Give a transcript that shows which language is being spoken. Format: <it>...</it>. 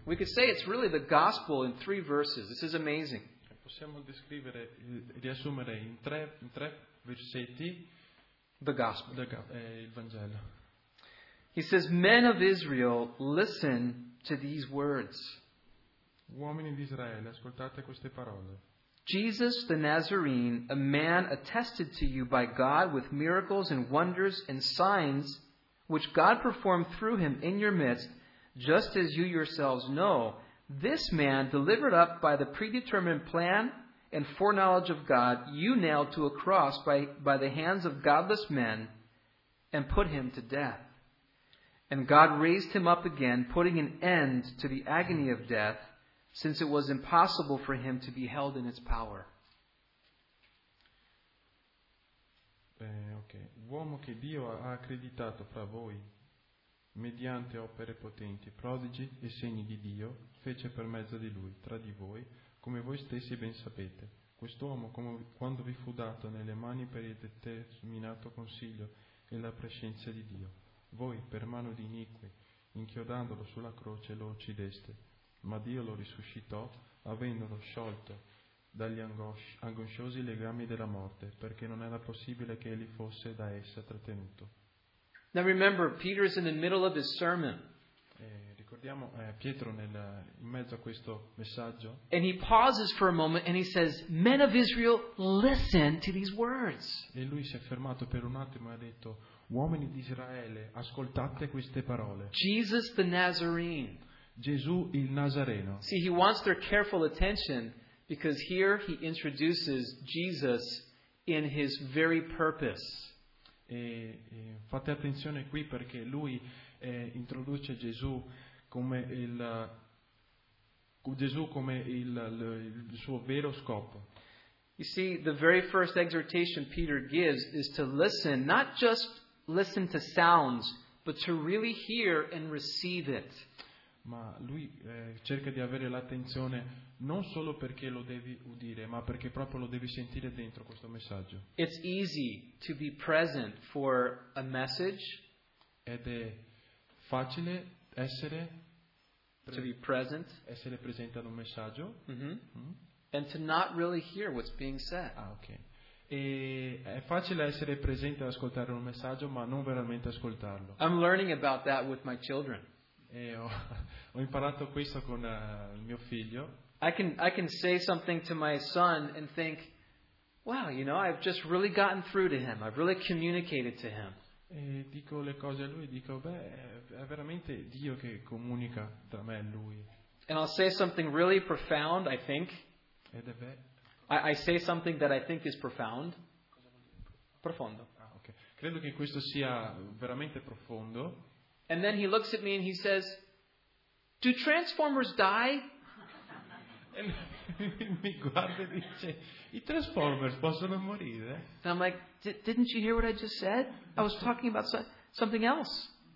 <en>We could say it's really the gospel in three verses. This is amazing.</en> <it>Possiamo descrivere, riassumere in tre versetti</it> <en>the gospel,</en> <it>il Vangelo.</it> <en>He says, "Men of Israel, listen to these words."</en> <it>Uomini di Israele, ascoltate queste parole.</it> <en>Jesus the Nazarene, a man attested to you by God with miracles and wonders and signs, which God performed through him in your midst, just as you yourselves know, this man, delivered up by the predetermined plan and foreknowledge of God, you nailed to a cross by the hands of godless men and put him to death. And God raised him up again, putting an end to the agony of death, since it was impossible for him to be held in its power. Okay.</en> <it>Uomo che Dio ha accreditato fra voi, mediante opere potenti, prodigi e segni di Dio, fece per mezzo di lui, tra di voi, come voi stessi ben sapete. Quest'uomo, quando vi fu dato nelle mani per il determinato consiglio e la prescienza di Dio, voi, per mano di iniqui, inchiodandolo sulla croce, lo uccideste. Ma Dio lo risuscitò, avendolo sciolto dagli angosciosi legami della morte, perché non era possibile che egli fosse da essa trattenuto.</it> <en>Now remember, Peter is in the middle of his sermon.</en> <it>Ricordiamo Pietro in mezzo a questo messaggio.</it> <en>And he pauses for a moment and he says, "Men of Israel, listen to these words."</en> <it>E lui si è fermato per un attimo e ha detto: "Uomini di Israele, ascoltate queste parole."</it> <en>Jesus the Nazarene.</en> <it>Gesù il Nazareno.</it> <en>See, he wants their careful attention because here he introduces Jesus in his very purpose.</en> <it>E fate attenzione qui perché lui introduce Gesù come il suo vero scopo.</it> <en>You see, the very first exhortation Peter gives is to listen, not just listen to sounds, but to really hear and receive it.</en> <it>Ma lui cerca di avere l'attenzione non solo perché lo devi udire, ma perché proprio lo devi sentire dentro questo messaggio.</it> <en>It's easy to be present for a message.</en> <it>Ed è facile essere</it> <en>present.</en> <it>Essere presente ad un messaggio.</it> <en>And to not really hear what's being said.</en> <it>Ah, ok. E è facile essere presente ad ascoltare un messaggio, ma non veramente ascoltarlo.</it> <en>I'm learning about that with my children.</en> <it>E ho imparato questo con il mio figlio.</it> <en>I can say something to my son and think, wow, you know, I've just really gotten through to him. I've really communicated to him.</en> <it>E dico le cose a lui, dico, beh, è veramente Dio che comunica tra me e lui.</it> <en>And I'll say something really profound, I think. I say something that I think is profound.</en> <it>Profondo.</it> <en>Ah, okay.</en> <it>Credo che questo sia veramente profondo.</it> <en>And then he looks at me and he says, "Do Transformers die?"</en> <it>E lui mi guarda e dice: i Transformers possono morire?</it> <en>And I'm like, didn't you hear what I just said? I was talking about something else.</en>